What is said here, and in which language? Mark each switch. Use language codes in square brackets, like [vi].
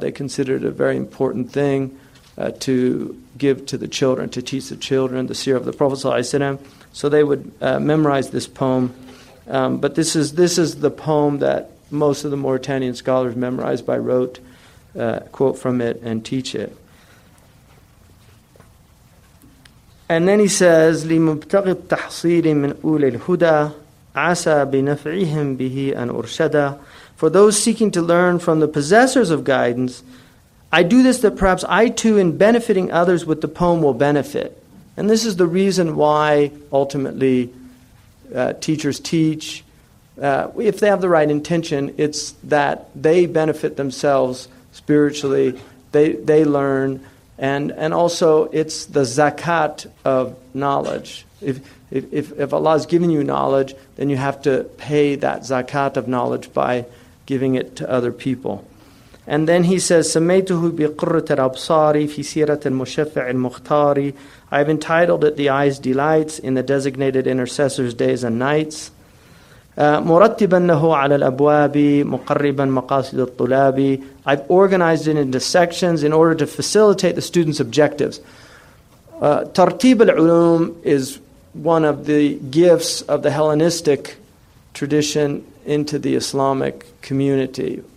[en] They considered it a very important thing to give to the children, to teach the children the seerah of the Prophet sallallahu alaihi wasallam. So they would memorize this poem. But this is the poem that most of the Mauritanian scholars memorized by rote, quote from it and teach it. And then he says, [ar] لِمُبْتَغِ التَّحْصِيلِ مِنْ أُولِ الْهُدَى عَسَى بِنَفْعِهِمْ بِهِ أَنْ أُرْشَدَى. [en] For those seeking to learn from the possessors of guidance, I do this that perhaps I too, in benefiting others with the poem, will benefit. And this is the reason why, ultimately, teachers teach. If they have the right intention, it's that they benefit themselves spiritually, they learn, and also it's the zakat of knowledge. If Allah has given you knowledge, then you have to pay that zakat of knowledge by giving it to other people. And then he says, [ar] سَمَيْتُهُ بِقُرَّةَ الْأَبْصَارِ فِي سِيرَةٍ مُشَفَّعٍ مُخْتَارِ. [en] I've entitled it The Eye's Delights in the Designated Intercessor's Days and Nights. [ar] مُرَتِّبَنَّهُ عَلَى الْأَبْوَابِ مُقَرِّبًا مَقَاصِدَ الطُّلَابِ. [en] I've organized it into sections in order to facilitate the students' objectives. [ar] تَرْتِيبَ الْعُلُومِ [en] is one of the gifts of the Hellenistic tradition into the Islamic community.